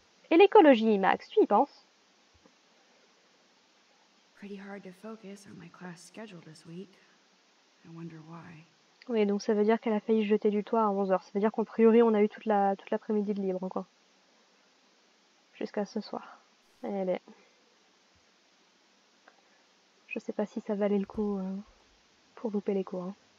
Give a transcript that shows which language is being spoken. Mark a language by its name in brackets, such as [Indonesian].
[French] Et l'écologie, Max, tu y penses? [English] Pretty hard to focus on my class schedule this week. I wonder why. [French] Oui, donc ça veut dire qu'elle a failli jeter du toit à 11h. Ça veut dire qu'a priori, on a eu toute l'après-midi de libre, quoi. Jusqu'à ce soir. Eh ben. Je sais pas si ça valait le coup pour louper les cours. Hein.